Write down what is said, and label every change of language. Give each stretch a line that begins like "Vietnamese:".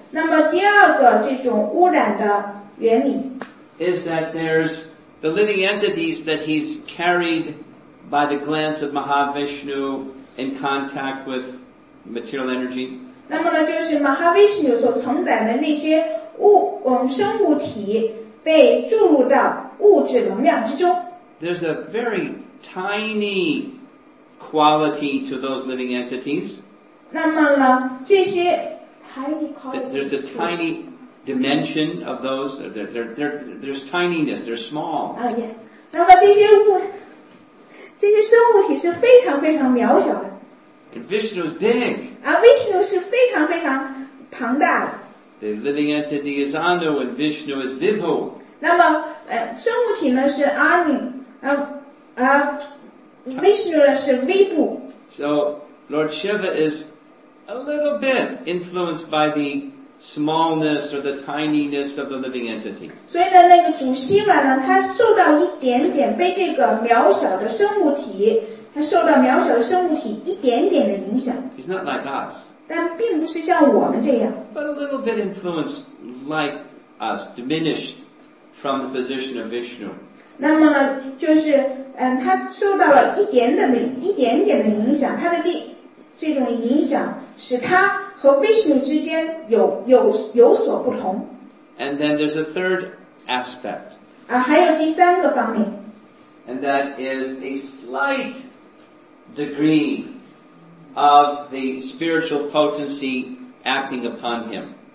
Chinese: 那么第二个这种污染的原理。
English: Is that there's the living entities that he's carried by the glance of Mahavishnu in contact with material energy.
Chinese: 那么呢就是 Mahavishnu 所承载的那些物生物体被注入到物质能量之中。
English: There's a very tiny quality to those living entities.
Chinese: 那么呢这些
English: tiny quality. There's a tiny,dimension of those, there's tininess, they're small.
Chinese: Oh, yeah. 那么这些物,
English: And Vishnu is big. And Vishnu is
Chinese: 非常非常庞大.
English: The living entity is Anu and Vishnu is Vibhu.
Chinese: 那么生物体呢是 Anu, Vishnu 是 Vibhu.
English: So Lord Shiva is a little bit influenced by the smallness or the tininess of the living entity.
Chinese: 所以呢那个主希瓦呢他受到一点点被这个渺小的生物体他受到渺小的生物体一点点的影响。
English: He's not like us.
Chinese: 但并不是像我们这样。
English: But a little bit influenced like us, diminished from the position of Vishnu.
Chinese: 那么呢就是他受到了一点点的一点点的影响他的力这种影响使他和 Vishnu 之间有所不同。
English: And then there's a third aspect.
Chinese: 啊，还有第三个方面。
English: And that is a slight degree of the spiritual potency acting upon him.